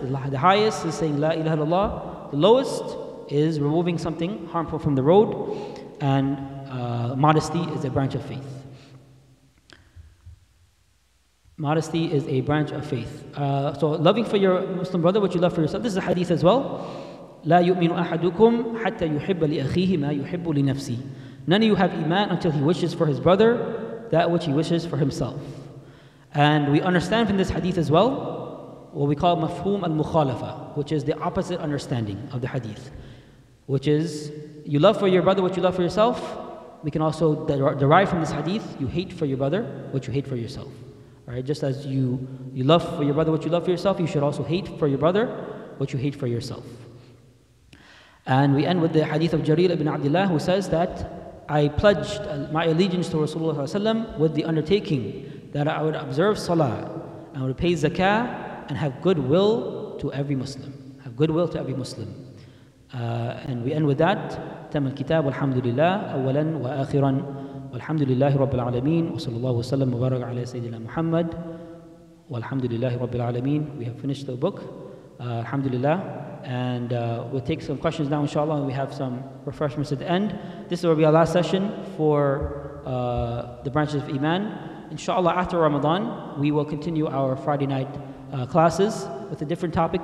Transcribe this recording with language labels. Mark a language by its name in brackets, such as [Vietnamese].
[English] The highest is saying [Arabic] la ilaha illallah. [English] The lowest is removing something harmful from the road, and modesty is a branch of faith. Modesty is a branch of faith. So loving for your Muslim brother what you love for yourself. This is a hadith as well. [Arabic] لا يؤمن أحدكم حتى يحب لأخيه ما يحب لنفسه. [English] None of you have iman until he wishes for his brother that which he wishes for himself. And we understand from this hadith as well what we call مفهوم المخالفة, which is the opposite understanding of the hadith, which is you love for your brother what you love for yourself. We can also derive from this hadith, you hate for your brother what you hate for yourself. Right? Just as you love for your brother what you love for yourself, you should also hate for your brother what you hate for yourself. And we end with the hadith of Jarir ibn Abdullah, who says that I pledged my allegiance to Rasulullah ﷺ with the undertaking that I would observe salah, I would pay zakah, and have goodwill to every Muslim. Have goodwill to every Muslim. And we end with that. [Arabic] تم الكتاب والحمد لله أولا وآخرا والحمد لله رب العالمين وصلى الله وسلم وبارك على سيدنا محمد والحمد لله رب العالمين. [English] We have finished the book. [Arabic] الحمد لله. [English] And we'll take some questions now, inshallah, and we have some refreshments at the end. This will be our last session for the branches of Iman. Inshallah, after Ramadan, we will continue our Friday night classes with a different topic.